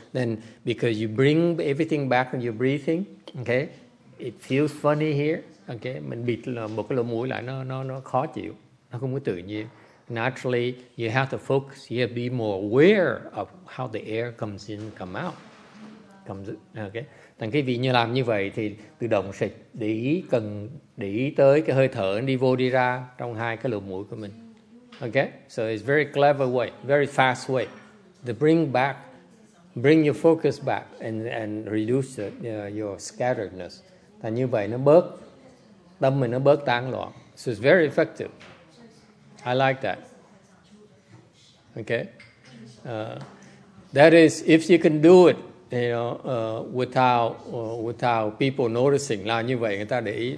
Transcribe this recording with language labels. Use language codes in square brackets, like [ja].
[en] Then because you bring everything back when you're breathing, okay, it feels funny here. [vi] Okay, mình bịt một cái lỗ mũi lại nó khó chịu, nó không có tự nhiên. [en] Naturally, you have to focus. You have to be more aware of how the air comes in, come out. [vi] cầm giữ. Okay. Thành quý vị như làm như vậy thì tự động sẽ để ý, cần để ý tới cái hơi thở đi vô đi ra trong hai cái lỗ mũi của mình. [en] Okay, so it's very clever way, very fast way to bring back, bring your focus back and reduce the, your scatteredness. [vi] Thành như vậy nó bớt, tâm mình nó bớt tán loạn. [en] So it's very effective. I like that. [vi] Okay. [en] That is, if you can do it, you know, without people noticing, là như vậy người ta để ý.